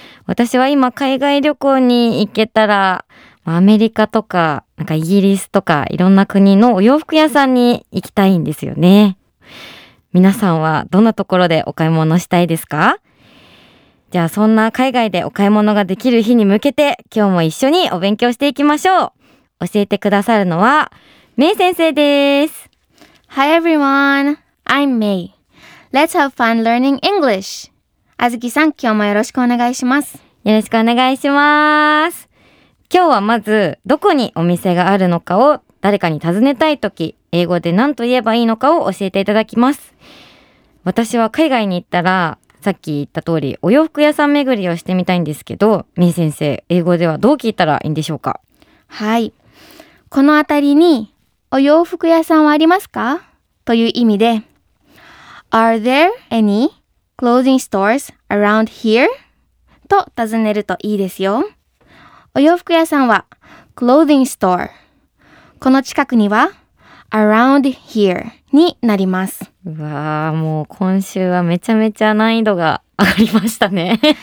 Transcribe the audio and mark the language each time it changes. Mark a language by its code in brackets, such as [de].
[ja] 私は今海外旅行に行けたら、アメリカとか、なんかイギリスとか、いろんな国のお洋服屋さんに行きたいんですよね。皆さんはどんなところでお買い物したいですか？じゃあそんな海外でお買い物ができる日に向けて、今日も一緒にお勉強していきましょう。教えてくださるのは、メイ先生です。 [en] Hi everyone, I'm May. Let's have fun learning English. [ja] あずきさん、今日もよろしくお願いします。よろしくお願いします。今日はまず、どこにお店があるのかを誰かに尋ねたいとき、英語で何と言えばいいのかを教えていただきます。私は海外に行ったら、さっき言った通り、お洋服屋さん巡りをしてみたいんですけど、メイ先生、英語ではどう聞いたらいいんでしょうか？はい。この辺りに、お洋服屋さんはありますか？という意味で、 [en] Are there any clothing stores around here? [ja] と尋ねるといいですよ。お洋服屋さんは、clothing store。この近くには、 [en] around here [ja] になります。うわぁ、もう今週はめちゃめちゃ難易度が上がりましたね。